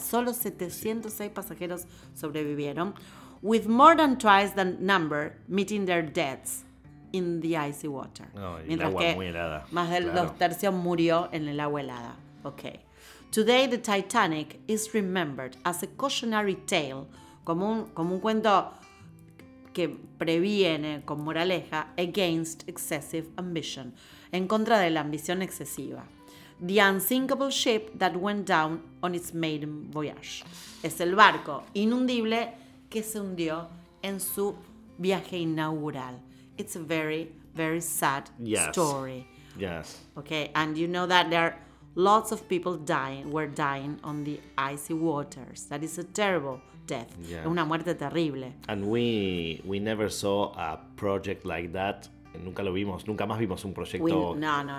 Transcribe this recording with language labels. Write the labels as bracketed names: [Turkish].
[Spanish] Solo 706 pasajeros sobrevivieron, [English] with more than twice the number meeting their deaths in the icy water. [Spanish] No, mientras que más del dos tercios murió en el agua helada. [English] Okay. Today the Titanic is remembered as a cautionary tale, [Spanish] como un cuento que previene con moraleja [English] against excessive ambition, [Spanish] en contra de la ambición excesiva. [English] The unsinkable ship that went down on its maiden voyage. [Spanish] Es el barco inundible que se hundió en su viaje inaugural. [English] It's a very, very sad story. Yes. Okay, and you know that there are lots of people were dying on the icy waters. That is a terrible death. Yeah. [Spanish] Una muerte terrible. [English] And we never saw a project like that. [Spanish] Nunca lo vimos. Nunca más vimos un proyecto